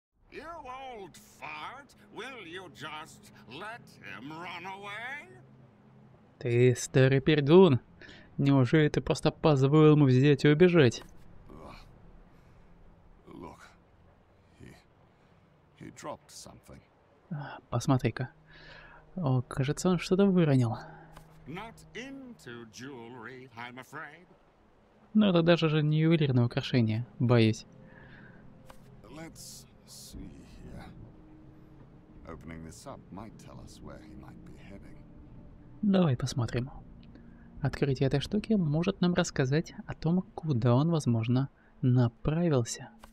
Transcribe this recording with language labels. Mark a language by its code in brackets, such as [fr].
[en] You old fart, will you just let him run away? [ru] Ты старый пердун. Неужели ты просто позволил ему взять и убежать? [en] Look. He dropped something. [ru] Посмотри-ка. О, кажется, он что-то выронил. [en] Not into jewelry, I'm afraid. [ru] Ну это даже же не ювелирное украшение, боюсь. [en] Let's see. Opening this up might tell us where he might be heading. [ru] Давай посмотрим. Открытие этой штуки может нам рассказать о том, куда он, возможно, направился.